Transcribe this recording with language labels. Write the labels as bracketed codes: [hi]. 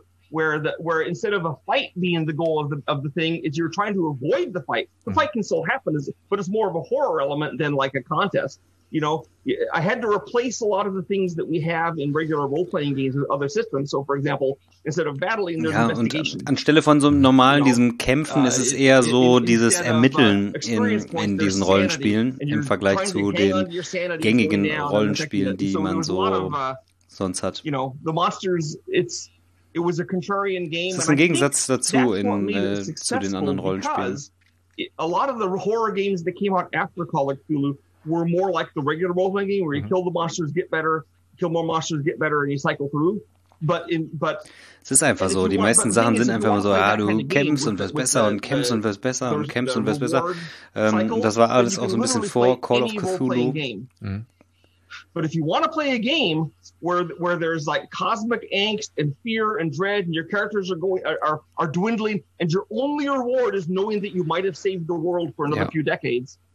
[en] Where instead of a fight being the goal of the thing, is you're trying to avoid the fight. The fight can still happen, but it's more of a horror element than like a contest. You know, I had to replace a lot of the things that we have in regular role-playing games with other systems. So, for example, instead of battling, there's investigation. [de] Und anstelle von so einem normalen, diesem Kämpfen, ist es eher so dieses Ermitteln in diesen Rollenspielen im Vergleich zu den gängigen Rollenspielen, die man so sonst hat. [en] You know, the monsters, it was a contrarian game. [de] Das ist ein Gegensatz dazu zu den anderen Rollenspielen. [en] A lot of the horror games that came out after Call of Cthulhu were more like the regular role-playing game, where you kill the monsters, get better, kill more monsters, get better, and you cycle through. But [de] es ist einfach so. Die meisten Sachen sind einfach immer so, du kämpfst und wirst besser und kämpfst und wirst besser und kämpfst und wirst besser. Das war alles auch so ein bisschen vor Call of Cthulhu. [en] But if you want to play a game where there's like cosmic angst and fear and dread and your characters are dwindling and your only reward is knowing that you might have saved the world for another few decades.